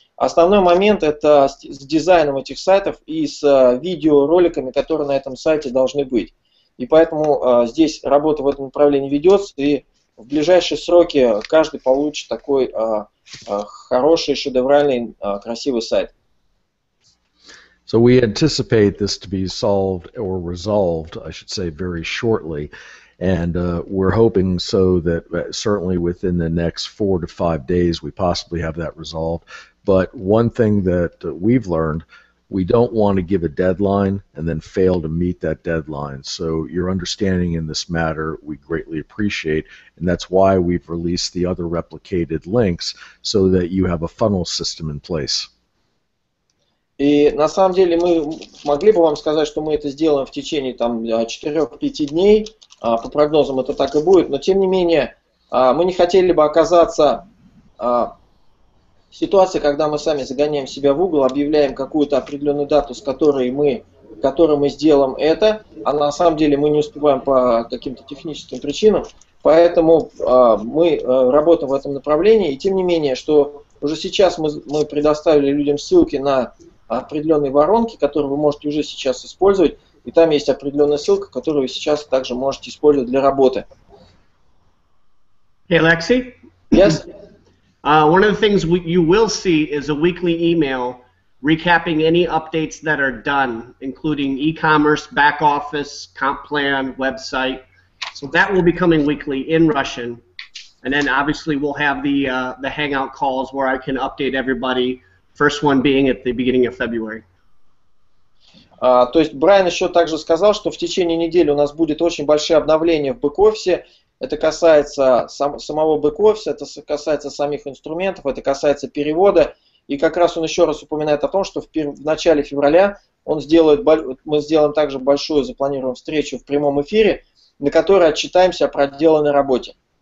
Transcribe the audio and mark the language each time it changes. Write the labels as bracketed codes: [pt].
[ru] Основной момент – это с дизайном этих сайтов и с видеороликами, которые на этом сайте должны быть. И поэтому здесь работа в этом направлении ведется, и в ближайшие сроки каждый получит такой хороший, шедевральный, красивый сайт. [en] So we anticipate this to be solved or resolved, I should say, very shortly. And we're hoping so that certainly within the next 4 to 5 days we possibly have that resolved. But one thing that we've learned We don't want to give a deadline and then fail to meet that deadline. So your understanding in this matter we greatly appreciate, and that's why we've released the other replicated links so that you have a funnel system in place. [ru] И на самом деле мы могли бы вам сказать, что мы это сделаем в течение там, 4-5 дней, по прогнозам это так и будет, но тем не менее мы не хотели бы оказаться в ситуации, когда мы сами загоняем себя в угол, объявляем какую-то определенную дату, с которой мы, сделаем это, а на самом деле мы не успеваем по каким-то техническим причинам, поэтому мы работаем в этом направлении, и тем не менее, что уже сейчас мы предоставили людям ссылки на определенные воронки, которые вы можете уже сейчас использовать, и там есть определенная ссылка, которую вы сейчас также можете использовать для работы. [en] Hey, Alexei? Yes? One of the things you will see is a weekly email recapping any updates that are done, including e-commerce, back office, comp plan, website. So that will be coming weekly in Russian. And then obviously we'll have the hangout calls where I can update everybody. First one being at the beginning of February. [ru] То есть Брайан еще также сказал, что в течение недели у нас будет очень большие обновления в бэк-офисе. Это касается самого бэк-офиса, это касается самих инструментов, это касается перевода. И как раз он еще раз упоминает о том, что в начале февраля мы сделаем также большую запланированную встречу в прямом эфире, на которой отчитаемся о проделанной работе.